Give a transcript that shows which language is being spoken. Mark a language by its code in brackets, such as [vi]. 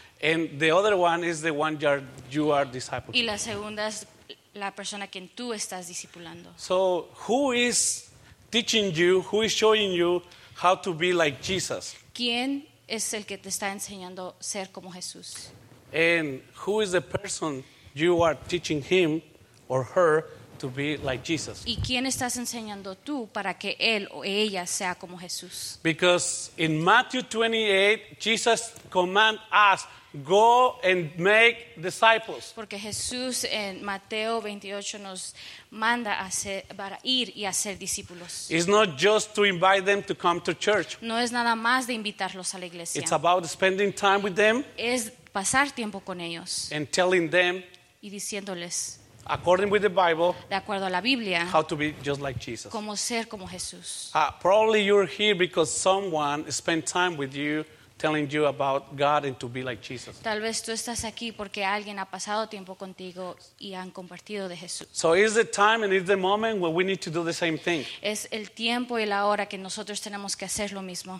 [en] And the other one is the one you are discipling. [es] Y la segunda es la persona quien tú estás discipulando. [en] So who is teaching you? Who is showing you how to be like Jesus? [es] ¿Quién es el que te está enseñando ser como Jesús? [en] And who is the person you are teaching him or her to be like Jesus? [es] ¿Y quién estás enseñando tú para que él o ella sea como Jesús? [en] Because in Matthew 28, Jesus command us, go and make disciples. [es] Porque Jesús en Mateo 28 nos manda a hacer, para ir y hacer discípulos. [en] It's not just to invite them to come to church. [es] No es nada más de invitarlos a la iglesia. [en] It's about spending time with them. [es] Es pasar tiempo con ellos. [en] And telling them. [es] Y diciéndoles. [en] According with the Bible. [es] De acuerdo a la Biblia. [en] How to be just like Jesus. [es] Cómo ser como Jesús. [en] Probably you're here because someone spent time with you telling you about God and to be like Jesus. [es] Tal vez tú estás aquí porque alguien ha pasado tiempo contigo y han compartido de Jesús. [en] So it's the time and it's the moment where we need to do the same thing. [es] Es el tiempo y la hora que nosotros tenemos que hacer lo mismo.